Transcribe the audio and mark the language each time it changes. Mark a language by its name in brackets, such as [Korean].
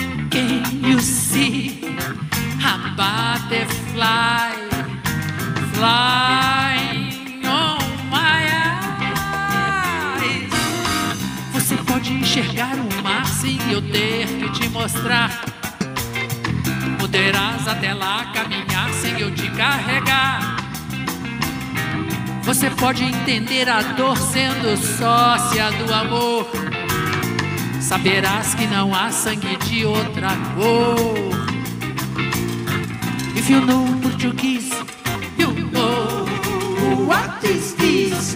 [English] Can you see a butterfly flying on my eyes? [Portuguese] Você pode enxergar o mar sem eu ter que te mostrar. Poderás até lá caminhar sem eu te carregar. Você pode entender a dor sendo sócia do amor. Saberás que não há sangue de outra cor. [English] If you know Portuguese, you know what is this.